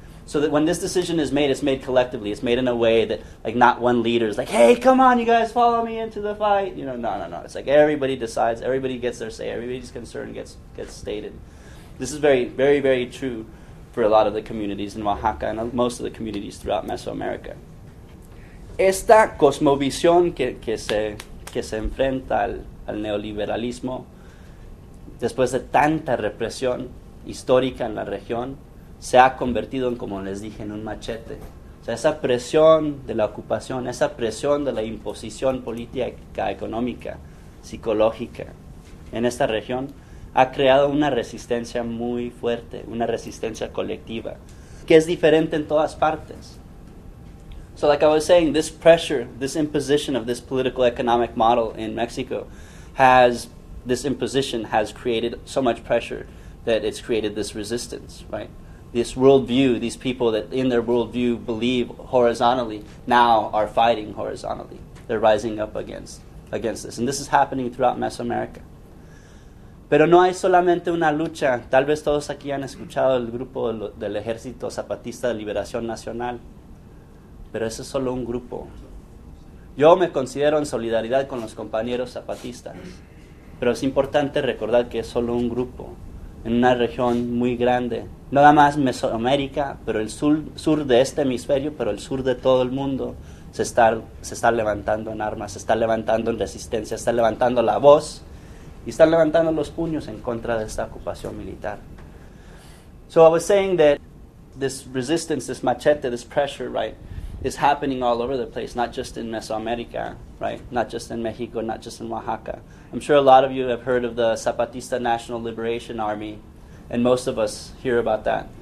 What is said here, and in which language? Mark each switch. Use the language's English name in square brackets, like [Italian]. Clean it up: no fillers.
[English] So that when this decision is made, it's made collectively. It's made in a way that, like, not one leader is like, hey, come on, you guys, follow me into the fight. You know, no. It's like everybody decides, everybody gets their say, everybody's concern gets stated. This is very, very, very true for a lot of the communities in Oaxaca and most of the communities throughout Mesoamerica. [Spanish] Esta cosmovisión que se enfrenta al neoliberalismo, después de tanta represión histórica en la región, se ha convertido en, como les dije, en un machete. O sea, esa presión de la ocupación, esa presión de la imposición política, económica, psicológica en esta región, ha creado una resistencia muy fuerte, una resistencia colectiva, que es diferente en todas partes. [English] So like I was saying, this pressure, this imposition of this political economic model in Mexico has created so much pressure that it's created this resistance, right? This worldview, these people that in their worldview believe horizontally now are fighting horizontally. They're rising up against this. And this is happening throughout Mesoamerica. [Spanish] Pero no hay solamente una lucha. Tal vez todos aquí han escuchado el grupo del Ejército Zapatista de Liberación Nacional. Pero eso es solo un grupo. Yo me considero en solidaridad con los compañeros zapatistas. Pero es importante recordar que es solo un grupo en una región muy grande. No nada más Mesoamérica, pero el sur de este hemisferio, pero el sur de todo el mundo se está levantando en armas, se está levantando en resistencia, se está levantando la voz y están levantando los puños en contra de esta ocupación militar. [English] So I was saying that this resistance, this machete, this pressure, right, is happening all over the place, not just in Mesoamerica, right, not just in Mexico, not just in Oaxaca. I'm sure a lot of you have heard of the Zapatista National Liberation Army, and most of us hear about that.